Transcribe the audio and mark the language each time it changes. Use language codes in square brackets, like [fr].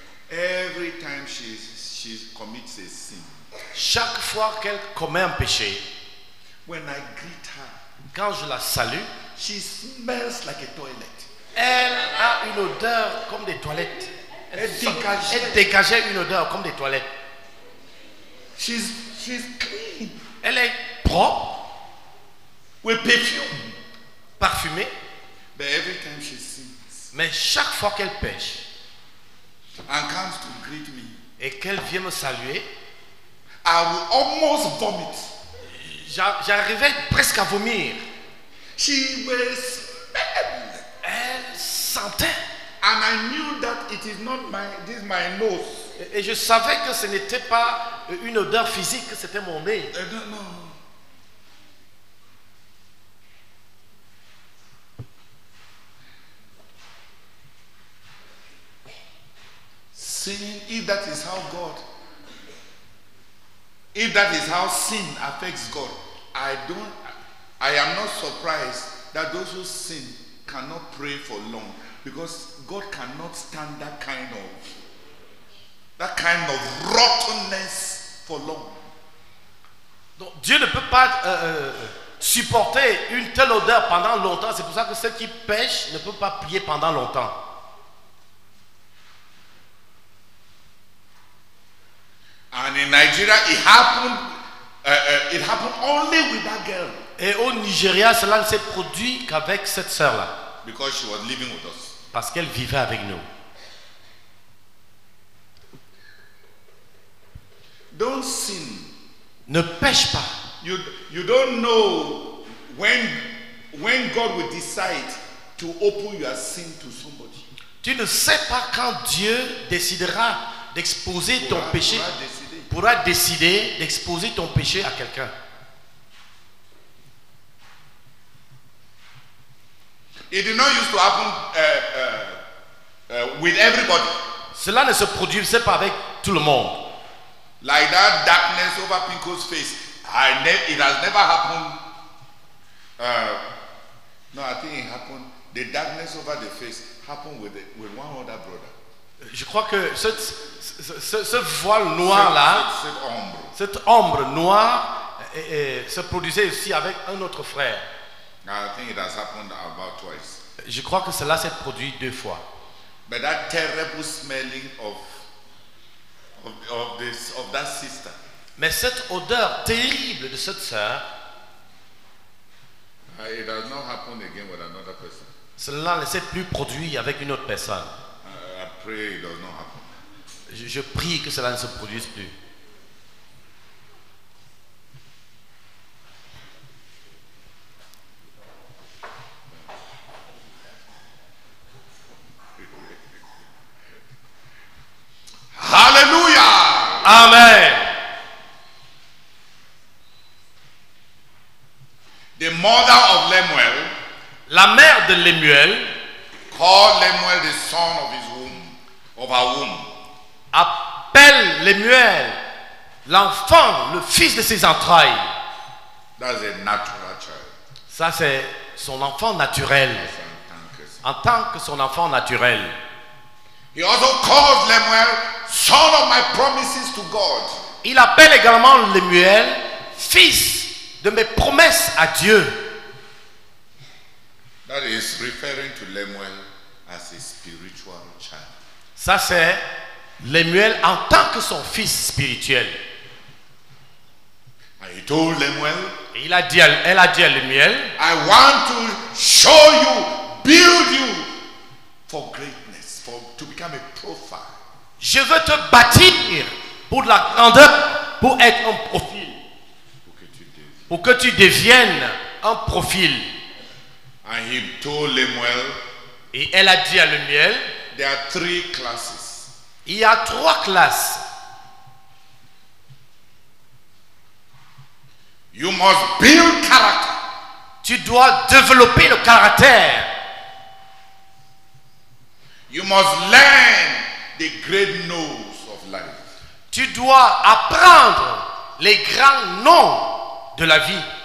[en] Every time she commits a sin. [fr] Chaque fois qu'elle commet un péché. [en] When I greet her, [fr] quand je la salue, [en] she smells like a toilet. [fr] Elle a une odeur comme des toilettes. Elle dégageait une odeur comme des toilettes. [en] She's clean. [fr] Elle est propre. [en] With perfume. [fr] Parfumée. [en] But every time she sins, [fr] mais chaque fois qu'elle pêche, [en] and comes to greet me, [fr] et qu'elle vient me saluer, [en] I will almost vomit. [fr] J'arrivais presque à vomir. [en] She was mad. [fr] Elle sentait. [en] And I knew that it is not this is my nose. [fr] Et je savais que ce n'était pas une odeur physique, c'était mon nez. Non. [en] Sin, if that is how sin affects God, I am not surprised that those who sin cannot pray for long. Because God cannot stand that kind of rottenness for long. [fr] Donc Dieu ne peut pas supporter une telle odeur pendant longtemps. C'est pour ça que ceux qui pêchent ne peuvent pas prier pendant longtemps. [en] And in Nigeria, it happened only with that girl. [fr] Et au Nigeria, cela ne s'est produit qu'avec cette sœur là. [en] Because she was living with us. [fr] Parce qu'elle vivait avec nous. [en] Don't sin. [fr] Ne pêche pas. [en] You don't know when God will decide to open your sin to somebody. [fr] Tu ne sais pas quand Dieu décidera d'exposer ton péché. Pourra décider d'exposer ton péché à quelqu'un. [en] It did not used to happen with everybody. [fr] Cela ne se produisait pas avec tout le monde. [en] Like that darkness over Pinko's face. It has never happened. I think it happened. The darkness over the face happened with one other brother. [fr] Je crois que ce voile noir là, cette ombre noire, se produisait aussi avec un autre frère. [en] I think it has happened about twice. [fr] Je crois que cela s'est produit deux fois. [en] But that terrible smelling of that sister. [fr] Mais cette odeur terrible de cette sœur. [en] It has not happened again with another person. [fr] Cela ne s'est plus produit avec une autre personne. [en] I pray it does not happen. [fr] Je prie que cela ne se produise plus. Hallelujah. Amen. [en] The mother of Lemuel, [fr] la mère de Lemuel, [en] called Lemuel the son of his womb, of her womb. [fr] Appelle Lemuel l'enfant, le fils de ses entrailles. [en] That's a natural child. [fr] Ça c'est son enfant naturel. En tant que son enfant naturel. [en] He also calls Lemuel son of my promises to God. [fr] Il appelle également Lemuel fils de mes promesses à Dieu. [en] That is referring to Lemuel as a spiritual child. [fr] Ça c'est Lemuel en tant que son fils spirituel. [en] And he told Lemuel, [fr] elle a dit à Lemuel, [en] I want to show you, build you for greatness, for to become a prophet. [fr] Je veux te bâtir pour de la grandeur, pour être un prophète. Pour que tu deviennes un profil. [en] And he told Lemuel, [fr] et elle a dit à Lemuel, [en] there are three classes. [fr] Il y a trois classes. [en] You must build character. [fr] Tu dois développer le caractère. [en] You must learn the great noms of life. [fr] Tu dois apprendre les grands noms de la vie.